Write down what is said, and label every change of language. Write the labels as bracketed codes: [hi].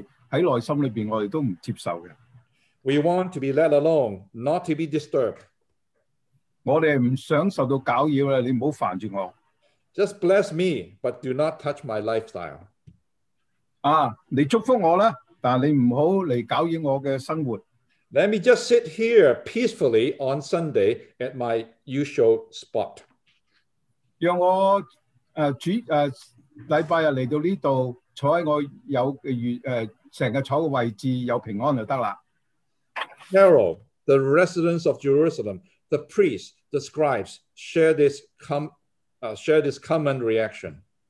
[zh] 这个可能就讲到,可能在表面上我们都承认耶稣是王,但在内心里面我们都不接受的。 [en] We want to be let alone, not to be disturbed. [zh] 我们不想受到搅扰,你不要烦着我。 [en] Just bless me, but do not touch my lifestyle. [zh] 你祝福我,但你不要来搅扰我的生活。 [en] Let me just sit here peacefully on Sunday at my usual spot. [zh] 让我礼拜日来到这里,坐在我整个坐的位置,有平安就可以了。 [en] Herod, the residents of Jerusalem, the priests, the scribes, share this common reaction.